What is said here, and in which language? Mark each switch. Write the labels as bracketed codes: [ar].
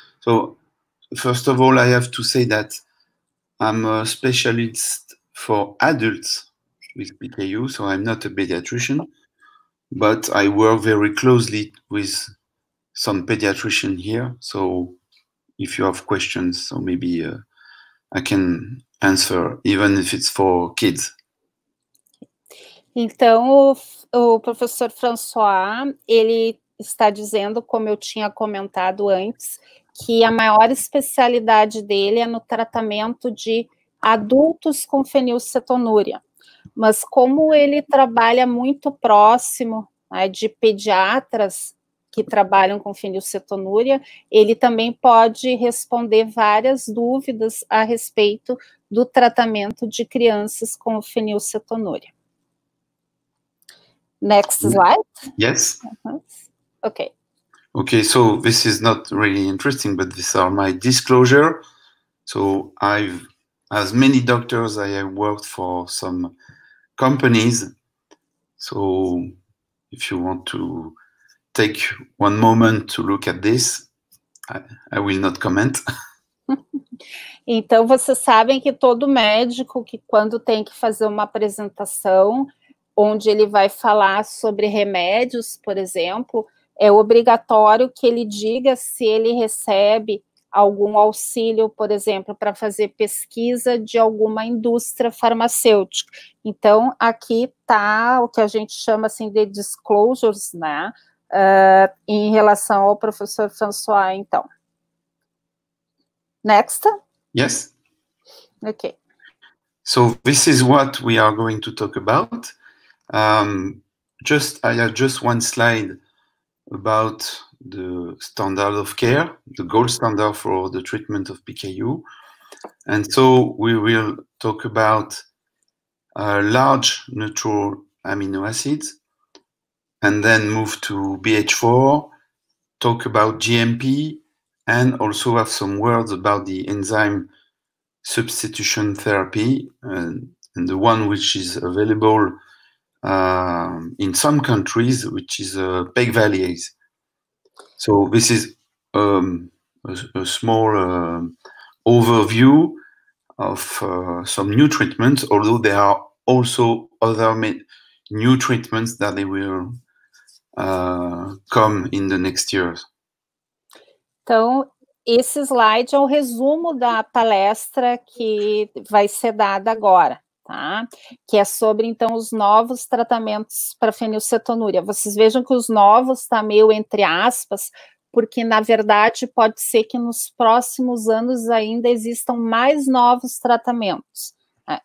[en] So first of all, I have to say that I'm a specialist for adults with PKU, so I'm not a pediatrician, but I work very closely with some pediatrician here. So if you have questions, so maybe I can answer, even if it's for kids. [pt] Então, o professor François, ele está dizendo, como eu tinha comentado antes, que a maior especialidade dele é no tratamento de adultos com fenilcetonúria. Mas como ele trabalha muito próximo, né, de pediatras que trabalham com fenilcetonúria, ele também pode responder várias dúvidas a respeito do tratamento de crianças com fenilcetonúria. [en] Next slide? Yes. Uh-huh. Okay. Okay, so this is not really interesting, but these are my disclosure. So I've, as many doctors, I have worked for some companies. So if you want to take one moment to look at this, I will not comment. [pt] Então, vocês sabem que todo médico que quando tem que fazer uma apresentação, onde ele vai falar sobre remédios, por exemplo, é obrigatório que ele diga se ele recebe algum auxílio, por exemplo, para fazer pesquisa de alguma indústria farmacêutica. Então, aqui está o que a gente chama assim, de disclosures, né, em relação ao professor François, então. [en] Next? Yes. Ok. So this is what we are going to talk about. I have just one slide about the standard of care, the gold standard for the treatment of PKU. And so we will talk about large neutral amino acids, and then move to BH4, talk about GMP, and also have some words about the enzyme substitution therapy, and the one which is available in some countries, which is pegvaliase. So this is a small overview of some new treatments, although there are also other new treatments that they will come in the next years. [pt] Então, esse slide é o resumo da palestra que vai ser dada agora, tá? Que é sobre, então, os novos tratamentos para fenilcetonúria. Vocês vejam que os novos está meio entre aspas, porque, na verdade, pode ser que nos próximos anos ainda existam mais novos tratamentos. Tá?